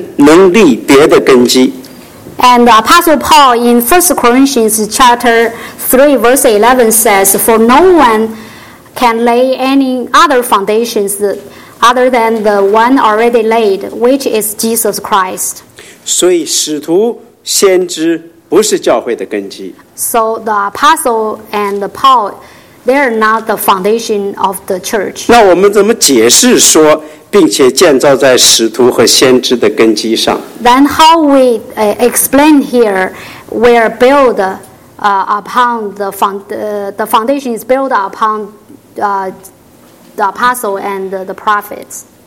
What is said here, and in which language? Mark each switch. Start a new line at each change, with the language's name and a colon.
Chinese: 那么保罗在哥林多前书毫无疑问地说，在三章十一节，他说：“因为那已经立好的根基就是耶稣基督，此外没有人能立别的根基。”
English: And Apostle Paul in 1 Corinthians chapter 3, verse 11 says, "For no one can lay any other foundations other than the one already laid, which is Jesus Christ."
Chinese: 所以使徒、先知不是教会的根基。
English: So the apostle and the Paul, they are not the foundation of the church.
Chinese: 那我们怎么解释说，并且建造在使徒和先知的根基上？
English: Then how we explain here, we are built upon the foundation is built upon the apostle and the prophets.